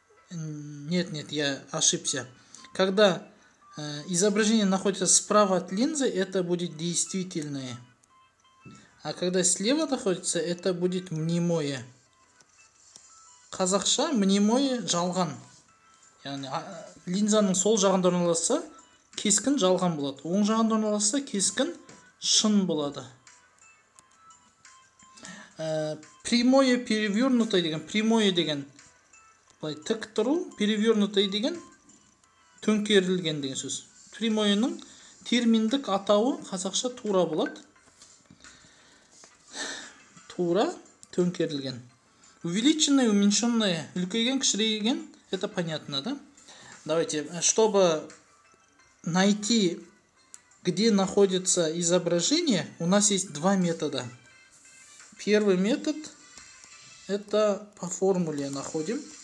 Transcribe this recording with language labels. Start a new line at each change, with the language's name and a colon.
Russian: Нет, я ошибся. Когда изображение находится справа от линзы, это будет действительное. А когда слева находится, это будет мнимое.
Kazakh: Казахша мнимое жалған. Яғни, линзаның сол жағында орналасса, кескін жалған болады. Оң жағында орналасса, кескін шын болады.
Russian: Прямое перевернутое деген.
Kazakh: Прямое деген. Былай тік тұру. Перевернутое деген. Төңкерілген деген сөз. Прямоенің терминдік атауы қазақша тура болады. Тура төңкерілген.
Russian: Увеличенное, уменьшенное.
Kazakh: Үлкейген, кішірейген.
Russian: Это понятно, да? Давайте, чтобы найти, где находится изображение, у нас есть два метода. Первый метод это по формуле находим.